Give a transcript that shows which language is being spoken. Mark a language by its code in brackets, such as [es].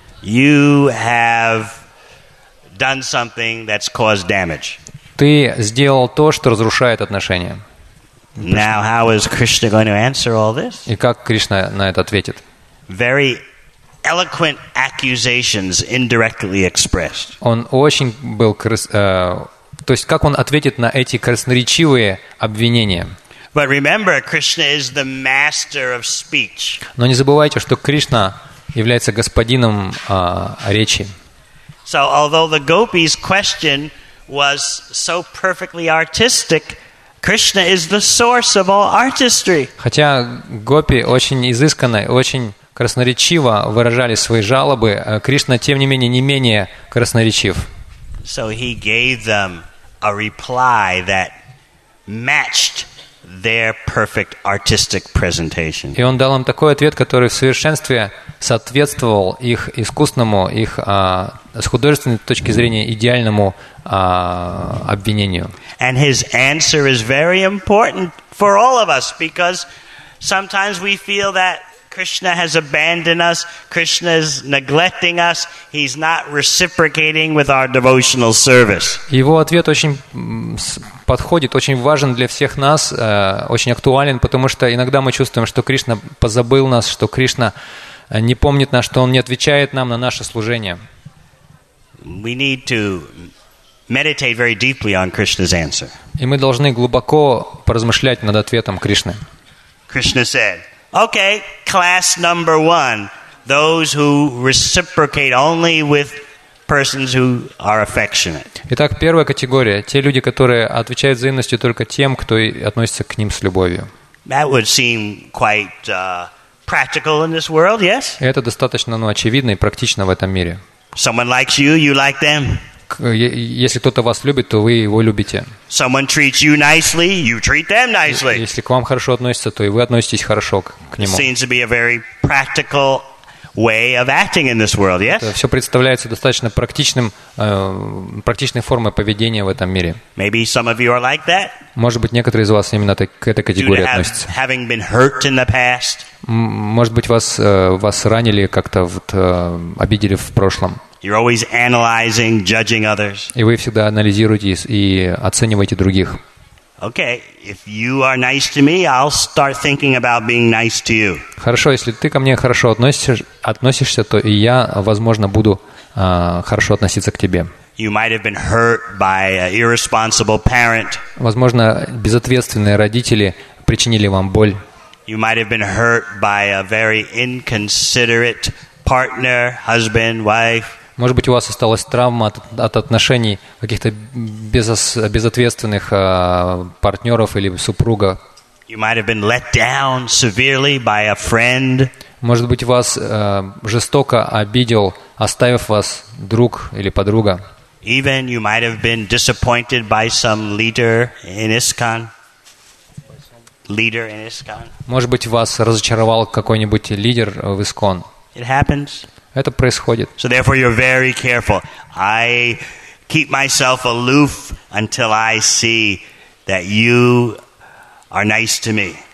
[en] You have done something that's caused damage. [ru] Ты сделал то, что разрушает отношения. [en] Now, how is Krishna going to answer all this? [ru] И как Кришна на это ответит? [en] Very eloquent accusations indirectly expressed. [ru] Он очень был то есть как он ответит на эти красноречивые обвинения? [en] But remember, Krishna is the master of speech. [ru] Но не забывайте, что Кришна является господином речи. [en] So, although the gopi's question was so perfectly artistic, Krishna is the source of all artistry. [ru] Хотя гопи очень изысканно, очень красноречиво выражали свои жалобы, Кришна тем не менее не менее красноречив. [en] So he gave them a reply that matched their perfect artistic presentation. [ru] И он дал им такой ответ, который в совершенстве соответствовал их искусному, их с художественной точки зрения идеальному обвинению. [en] And his answer is very important for all of us because sometimes we feel that Krishna has abandoned us, Krishna is neglecting us, he's not reciprocating with our devotional service. [ru] Его ответ очень подходит, очень важен для всех нас, очень актуален, потому что иногда мы чувствуем, что Кришна позабыл нас, что Кришна не помнит нас, что он не отвечает нам на наше служение. [en] We need to meditate very deeply on Krishna's answer. [ru] И мы должны глубоко поразмышлять над ответом Кришны. [en] Krishna said, okay, class number one, those who reciprocate only with persons who are affectionate. [ru] Итак, первая категория – те люди, которые отвечают взаимностью только тем, кто относится к ним с любовью. [en] That would seem quite practical in this world, yes? [ru] Это достаточно, ну, очевидно и практично в этом мире. [en] Someone likes you, you like them. [ru] Если кто-то вас любит, то вы его любите. [en] Someone treats you nicely, you treat them nicely. [ru] Если к вам хорошо относятся, то и вы относитесь хорошо к нему. [en] Seems to be a very practical way of acting in this world, yes? [ru] Это все представляется достаточно практичной формой поведения в этом мире. [en] Maybe some of you are like that. [ru] Может быть, некоторые из вас именно к этой категории относятся. [en] Having been hurt in the past. [ru] Может быть, вас ранили как-то, вот, обидели в прошлом. [en] You're always analyzing, judging others. [ru] И вы всегда анализируете и оцениваете других. [en] Okay, if you are nice to me, I'll start thinking about being nice to you. [ru] Хорошо, если ты ко мне хорошо относишься, то и я, возможно, буду хорошо относиться к тебе. [en] You might have been hurt by an irresponsible parent. [ru] Возможно, безответственные родители причинили вам боль. [en] You might have been hurt by a very inconsiderate partner, husband, wife. [ru] Может быть, у вас осталась травма от отношений каких-то безответственных партнеров или супруга. [en] You might have been let down severely by a friend. [ru] Может быть, вас жестоко обидел, оставив вас друг или подруга. [en] Even you might have been disappointed by some leader in ISKCON. Leader in ISKCON. [ru] Может быть, вас разочаровал какой-нибудь лидер в ИСКОН. [en] It happens. [ru] Это происходит. [en] So therefore you're very careful. I keep myself aloof until I see that you are nice to me.